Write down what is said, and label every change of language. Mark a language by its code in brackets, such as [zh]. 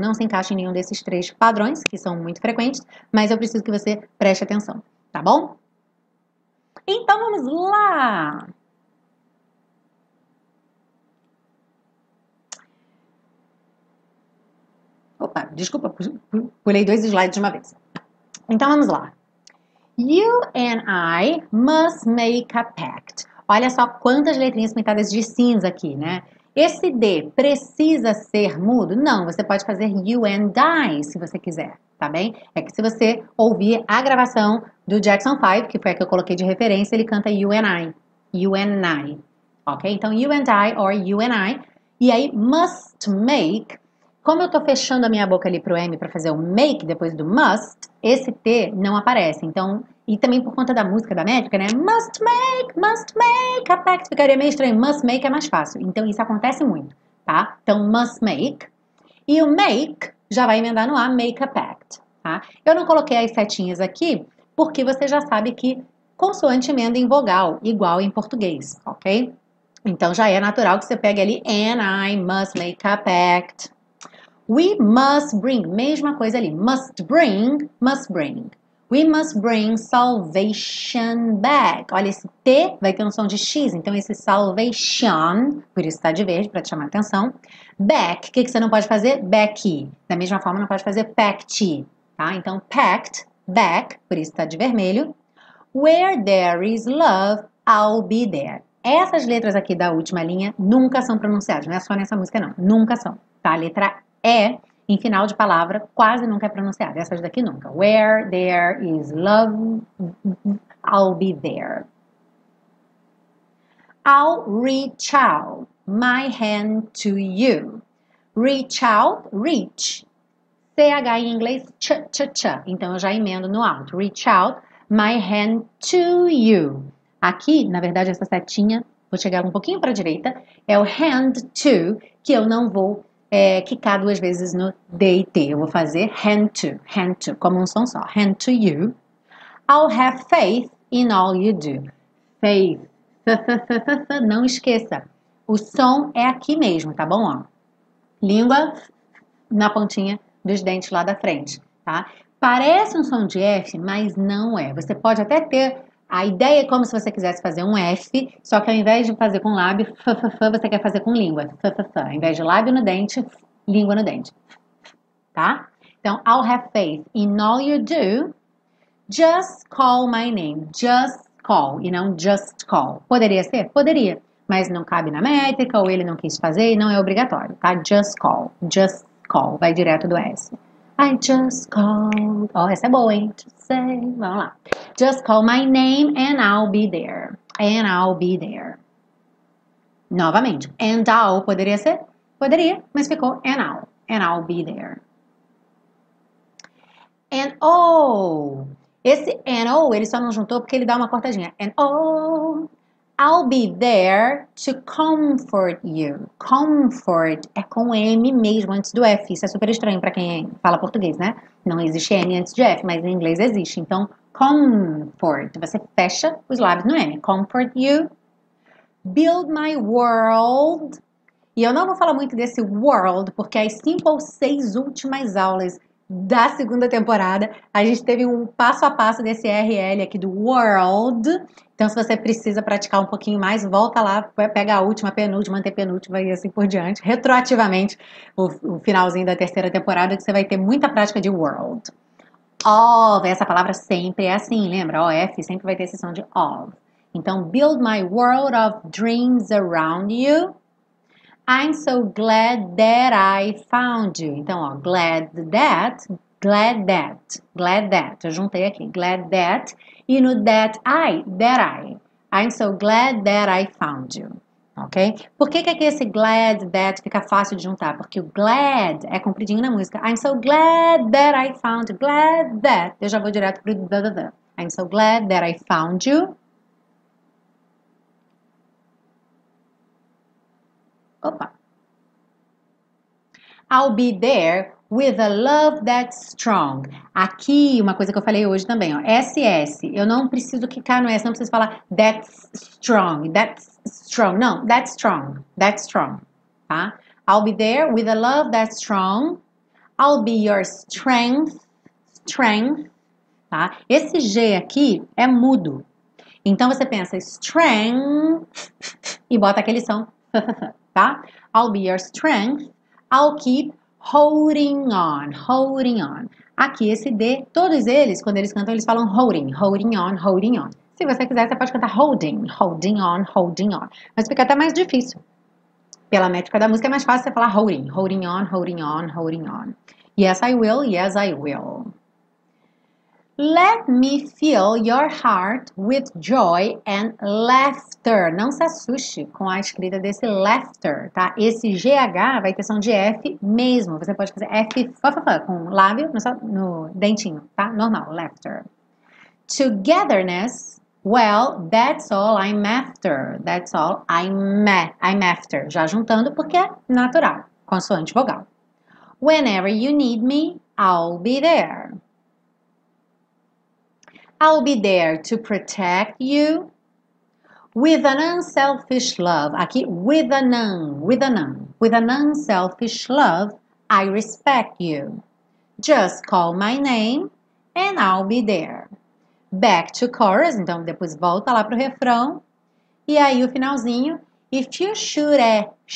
[pt] Não se encaixa em nenhum desses três padrões, que são muito frequentes, mas eu preciso que você preste atenção, tá bom? Então, vamos lá! Opa, desculpa, pulei dois slides de uma vez. Então, vamos lá. [en] You and I must make a pact. [pt] Olha só quantas letrinhas pintadas de cinza aqui, né? Esse D precisa ser mudo? Não, você pode fazer [en] you and I, [pt] se você quiser, tá bem? É que se você ouvir a gravação do Jackson 5, que foi a que eu coloquei de referência, ele canta [en] you and I. You and I. [pt] Ok? Então, [en] you and I or you and I. [pt] E aí, [en] must make. [pt] Como eu tô fechando a minha boca ali pro M para fazer o make depois do [en] must, [pt] esse T não aparece. Então. E também por conta da música, da métrica, né? [en] Must make a pact. [pt] Ficaria meio estranho. [en] Must make [pt] é mais fácil. Então, isso acontece muito, tá? Então, [en] must make. [pt] E o make já vai emendar no A, [en] make a pact, [pt] tá? Eu não coloquei as setinhas aqui porque você já sabe que consoante emenda em vogal, igual em português, ok? Então, já é natural que você pegue ali, [en] and I must make a pact. We must bring, [pt] mesma coisa ali. [en] Must bring. We must bring salvation back. [pt] Olha, esse T vai ter um som de X, então esse salvation, por isso está de verde, para te chamar a atenção. [en] Back, [pt] o que que você não pode fazer? Back. Da mesma forma, não pode fazer pact, tá? Então, [en] pact, back, [pt] por isso está de vermelho. [en] Where there is love, I'll be there. [pt] Essas letras aqui da última linha nunca são pronunciadas, não é só nessa música, não. Nunca são, tá? A letra E. Em final de palavra, quase nunca é pronunciada. Essas daqui nunca. [en] Where there is love, I'll be there. I'll reach out my hand to you. Reach out, reach. [pt] CH em inglês, ch-ch-ch. Então eu já emendo no out. [en] Reach out my hand to you. [pt] Aqui, na verdade, essa setinha, vou chegar um pouquinho para a direita, é o hand to, que eu não vou. É, quicar duas vezes no D e T. Eu vou fazer hand to, como um som só. [en] Hand to you. I'll have faith in all you do. Faith. F-f-f-f-f-f, [pt] não esqueça. O som é aqui mesmo, tá bom? Língua na pontinha dos dentes lá da frente, tá? Parece um som de F, mas não é. Você pode até ter a ideia como se você quisesse fazer um F, só que ao invés de fazer com lábio, f-f-f, você quer fazer com língua. F-f-f. Ao invés de lábio no dente, língua no dente. Tá? [en] Então, I'll have faith in all you do. Just call my name. Just call, [pt] e não just call. Poderia ser? Poderia. Mas não cabe na métrica, ou ele não quis fazer, e não é obrigatório, tá? [en] Just call. Just call. [pt] Vai direto do S. [en] I just called. [pt] Oh, essa é boa, hein? [en] To say. [pt] Vamos lá. [en] Just call my name and I'll be there. And I'll be there. [pt] Novamente. [en] And I'll. [pt] Poderia ser? Poderia, mas ficou. [en] And I'll. And I'll be there. And oh, [pt] esse and oh, ele só não juntou porque ele dá uma cortadinha. [en] And oh, I'll be there to comfort you. [pt] Comfort é com M mesmo, antes do F. Isso é super estranho pra quem fala português, né? Não existe M antes de F, mas em inglês existe. Então, comfort. Você fecha os lábios no M. [en] Comfort you. Build my world. [pt] E eu não vou falar muito desse world, porque as 5 ou 6 últimas aulas da segunda temporada, a gente teve um passo a passo desse RL aqui do world. Então, se você precisa praticar um pouquinho mais, volta lá, pega a última, penúltima, antepenúltima e assim por diante. Retroativamente, o finalzinho da terceira temporada, que você vai ter muita prática de world. Of, essa palavra sempre é assim, lembra? OF sempre vai ter esse som de of. Então, [en] build my world of dreams around you. I'm so glad that I found you. [pt] Então, ó, [en] glad that, glad that, glad that. [pt] Eu juntei aqui, [en] glad that. [pt] E no [en] that I. I'm so glad that I found you. [pt] Ok? Por que que aqui esse [en] glad that [pt] fica fácil de juntar? Porque o glad é compridinho na música. [en] I'm so glad that I found you. [pt] Glad that. Eu já vou direto pro da, da, [en] da. I'm so glad that I found you. [pt] Opa. [en] I'll be there with a love that's strong. [pt] Aqui, uma coisa que eu falei hoje também, ó. SS. Eu não preciso clicar no S, não preciso falar [en] that's strong. That's strong. [pt] Não, [en] that's strong. That's strong. [pt] Tá? [en] I'll be there with a love that's strong. I'll be your strength. Strength. [pt] Tá? Esse G aqui é mudo. Então você pensa strength e bota aquele som. Tá? [en] I'll be your strength. I'll keep holding on. Holding on. [pt] Aqui esse D, todos eles, quando eles cantam, eles falam holding. [en] Holding on, holding on. [pt] Se você quiser, você pode cantar holding. [en] Holding on, holding on. [pt] Mas fica até mais difícil. Pela métrica da música, é mais fácil você falar holding. [en] Holding on, holding on, holding on. Yes, I will. Yes, I will. Let me fill your heart with joy and laughter. [pt] Não se assuste com a escrita desse laughter, tá? Esse GH vai ter som de F mesmo. Você pode fazer F com lábio no dentinho, tá? Normal, laughter. [en] Togetherness, well, that's all I'm after. That's all I'm after. [pt] Já juntando porque é natural, consoante vogal. [en] Whenever you need me, I'll be there. I'll be there to protect you with an unselfish love. [pt] Aqui, [en] with a nun, with a nun. With an unselfish love, I respect you. Just call my name and I'll be there. Back to chorus, [pt] então depois volta lá pro refrão. E aí o finalzinho. [en] If you should ever.